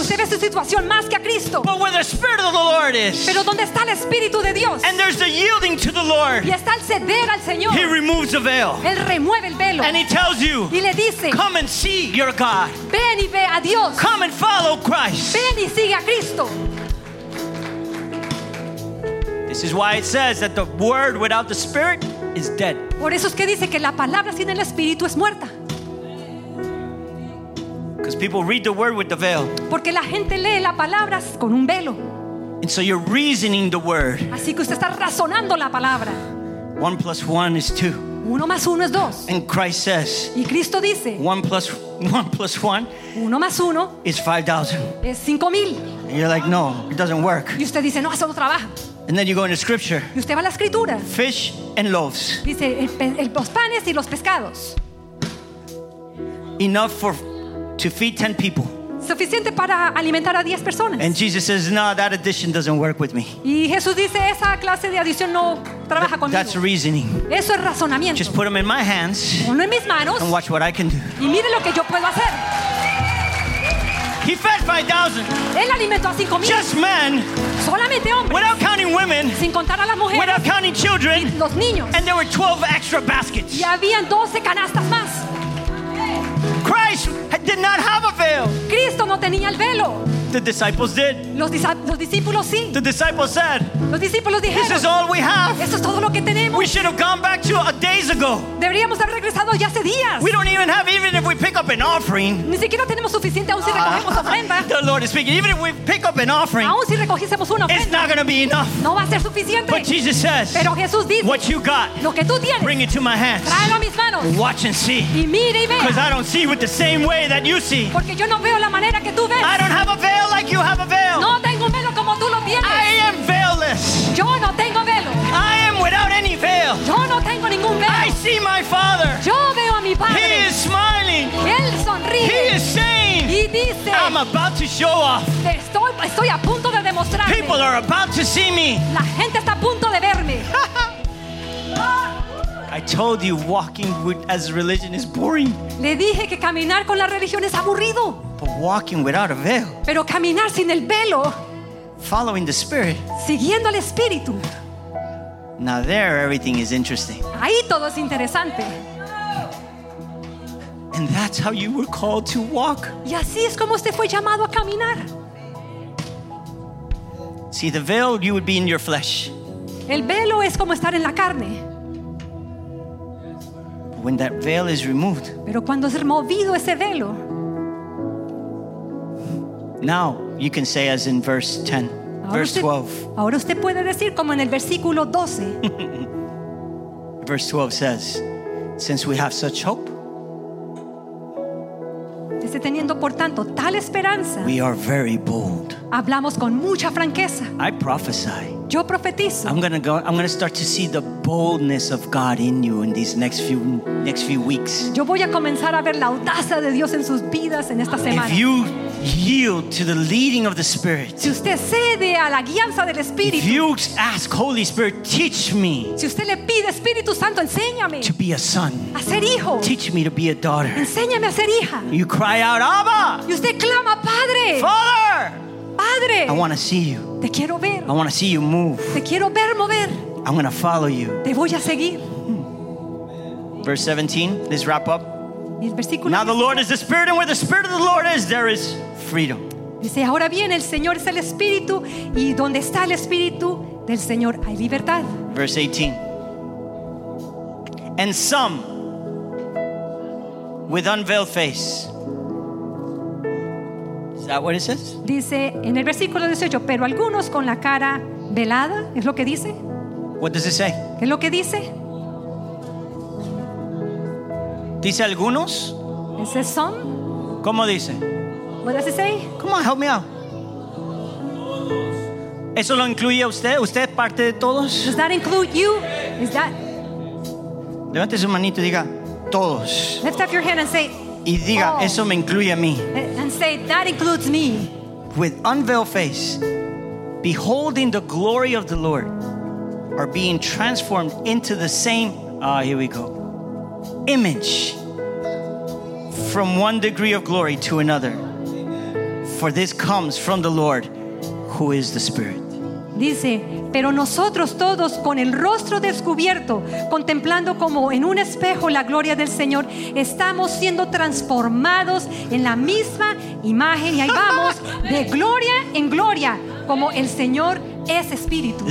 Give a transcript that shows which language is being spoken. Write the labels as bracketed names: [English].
[Spanish] Usted ve su situación más que a Cristo. [English] But where the Spirit of the Lord is. [Spanish] Pero donde está el Espíritu de Dios. [English] And there's the yielding to the Lord. [Spanish] Y está el ceder al Señor. [English] He removes the veil. [Spanish] Él remueve el velo. [English] And he tells you. [Spanish] Y le dice. [English] Come and see your God. [Spanish] Ven y ve a Dios. [English] Come and follow Christ. [Spanish] Ven y sigue a Cristo. [English] This is why it says that the word without the Spirit is dead. [Spanish] Por eso es que dice que la palabra sin el Espíritu es muerta. [English] Because people read the word with the veil. [Spanish] Porque la gente lee la palabra con un velo. [English] And so you're reasoning the word. [Spanish] Así que usted está razonando la palabra. [English] 1 + 1 = 2. [Spanish] Uno más uno es dos. [English] And Christ says. [Spanish] Y Cristo dice. [English] 1 + 1 = 1. [Spanish] Uno más uno. [English] Is 5,000. [Spanish] Es 5,000. [English] And you're like, no, it doesn't work. [Spanish] Y usted dice, no, eso no trabaja. [English] And then you go into Scripture. [Spanish] Y usted va a la Escritura. [English] Fish and loaves. [Spanish] Dice los panes y los pescados. [English] Enough for to feed 10 people. [Spanish] Suficiente para alimentar a 10 personas. [English] And Jesus says, no, that addition doesn't work with me. [Spanish] Y Jesús dice, esa clase de adición no trabaja conmigo. [English] That's reasoning. [Spanish] Eso es razonamiento. [English] Just put them in my hands. [Spanish] Ponlo en mis manos. [English] And watch what I can do. [Spanish] Y mire lo que yo puedo hacer. [English] He fed 5,000. [Spanish] Él alimentó a 5,000. [English] Just men. [Spanish] Solamente hombres. [English] Without counting women. [Spanish] Sin contar a las mujeres. [English] Without counting children. [Spanish] Y los niños. [English] And there were 12 extra baskets. [Spanish] Y habían 12 canastas más. [English] Christ did not have a veil. [Spanish] Cristo no tenía el velo. [English] The disciples did. [Spanish] Los discípulos sí. [English] The disciples said. [Spanish] Los discípulos dijeron. [English] This is all we have. [Spanish] Esto es todo lo que tenemos. [English] We should have gone back to a days ago. [Spanish] Deberíamos haber regresado ya hace días. [English] We don't even have even if we pick up an offering. [Spanish] Ni siquiera tenemos suficiente aun si recogemos ofrenda. [English] The Lord is speaking. Even if we pick up an offering. [Spanish] Aun si recogiésemos una ofrenda. [English] It's not going to be enough. [Spanish] No va a ser suficiente. [English] But Jesus says. [Spanish] Pero Jesús dice. [English] What you got? [Spanish] Lo que tú tienes. [English] Bring it to my hands. [Spanish] Tráelo a mis manos. [English] Watch and see. [Spanish] Y mire y vea. [English] Because I don't see with the same way that you see. [Spanish] Porque yo no veo la manera que tú ves. [English] I don't have a veil. Like you have a veil. [Spanish] No tengo velo como tú lo tienes. [English] I am veilless. [Spanish] Yo no tengo velo. [English] I am without any veil. [Spanish] Yo no tengo ningún velo. [English] I see my Father. [Spanish] Yo veo a mi Padre. [English] He is smiling. [Spanish] Él sonríe. [English] He is saying. [Spanish] Y dice, [English] I'm about to show off. [Spanish] Estoy a punto de demostrarme. [English] People are about to see me. [Spanish] La gente está a punto de verme. [English] I told you walking with as religion is boring. [Spanish] Le dije que caminar con la religión es aburrido. [English] But walking without a veil. [Spanish] Pero caminar sin el velo. [English] Following the Spirit. [Spanish] Siguiendo el Espíritu. [English] Now there everything is interesting. [Spanish] Ahí todo es interesante. [English] And that's how you were called to walk. [Spanish] Y así es como usted fue llamado a caminar. [English] See the veil, you would be in your flesh. [Spanish] El velo es como estar en la carne. [English] When that veil is removed. [Spanish] Pero cuando es removido ese velo. [English] Now you can say as in verse 10, verse 12. [Spanish] Ahora usted puede decir como en el versículo 12. [English] Verse 12 says, since we have such hope. [Spanish] Dice teniendo por tanto tal esperanza. [English] We are very bold. [Spanish] Hablamos con mucha franqueza. [English] I prophesy. [Spanish] Yo profetizo. [English] I'm gonna start to see the boldness of God in you in these next few weeks. [Spanish] Yo voy a comenzar a ver la audacia de Dios en sus vidas en esta semana. [English] If you yield to the leading of the Spirit. [Spanish] Si usted cede a la guianza del Espíritu. [English] If you ask Holy Spirit, teach me. [Spanish] Si usted le pide Espíritu Santo, enséñame. [English] To be a son. [Spanish] A ser hijo. [English] Teach me to be a daughter. [Spanish] Enséñame a ser hija. [English] You cry out, Abba. [Spanish] Y usted clama, Padre. [English] Father. [Spanish] Padre, [English] I want to see you. [Spanish] Te quiero ver. [English] I want to see you move. [Spanish] Te quiero ver mover. [English] I'm going to follow you. [Spanish] Te voy a seguir. [English] Verse 17, let's wrap up. [Spanish] El versículo [English] now the Lord is the Spirit, and where the Spirit of the Lord is, there is freedom. [Spanish] Dice, ahora bien, el Señor es el Espíritu, y donde está el Espíritu del Señor, hay libertad. [English] Verse 18. And some, with unveiled face, that what it says? [Spanish] Dice en el versículo 18, pero algunos con la cara velada, ¿es lo que dice? [English] What does it say? [Spanish] ¿Qué es lo que dice? Dice algunos. [English] It says some. [Spanish] ¿Cómo dice? [English] What does it say? Come on, help me out. [Spanish] ¿Eso lo incluye a usted? ¿Usted es parte de todos? [English] Does that include you? Is that... [Spanish] Levante su manito y diga todos. [English] Lift up your hand and say, [Spanish] y diga [English] all. [Spanish] Eso me incluye a mí. [English] And say, that includes me. With unveiled face, beholding the glory of the Lord, are being transformed into the same, here we go, image, from one degree of glory to another. For this comes from the Lord, who is the Spirit. [Spanish] Dice, pero nosotros todos con el rostro descubierto, contemplando como en un espejo la gloria del Señor, estamos siendo transformados en la misma imagen, y ahí vamos, de gloria en gloria, como el Señor es Espíritu.